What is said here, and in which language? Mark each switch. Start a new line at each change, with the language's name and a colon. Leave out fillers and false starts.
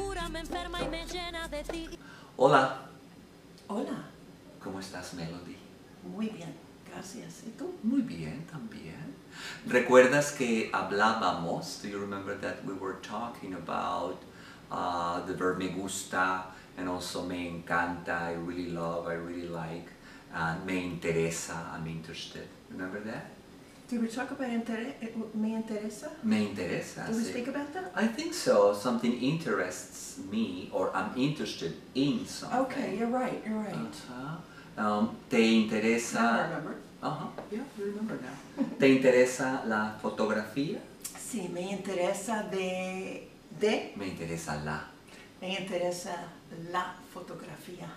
Spanish: me enferma y me llena de ti. Hola. Hola. ¿Cómo estás, Melody? Muy bien, gracias. ¿Y tú? Muy bien, también. ¿Recuerdas que hablábamos?
English: Do you remember that we were talking about the verb
Spanish: me gusta
English: and also
Spanish: me encanta,
English: I really love, I really like, and
Spanish: me interesa,
English: I'm interested. Remember that? Did we talk about
Spanish: me interesa? Me interesa.
English: Did we speak about that? I think so. Something interests me or I'm interested in something. Okay, you're right, you're right.
Spanish: Te interesa...
English: Now I remember. Yeah, I remember now.
Spanish: ¿Te interesa la fotografía? Sí, me interesa de... Me interesa la. Me interesa la fotografía.